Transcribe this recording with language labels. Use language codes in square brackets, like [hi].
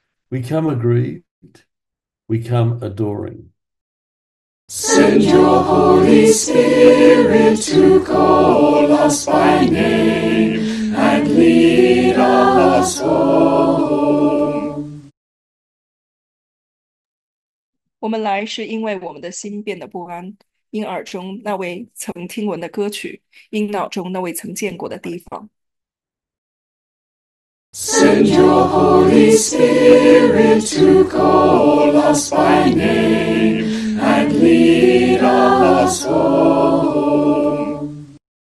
[en] We come aggrieved, we come adoring. Send your Holy Spirit to call us by name and lead us home. [zh] 我们来是因为我们的心变得不安，因耳中那位曾听闻的歌曲，因脑中那位曾见过的地方。 [en] Send your Holy Spirit to call us by name and lead us home.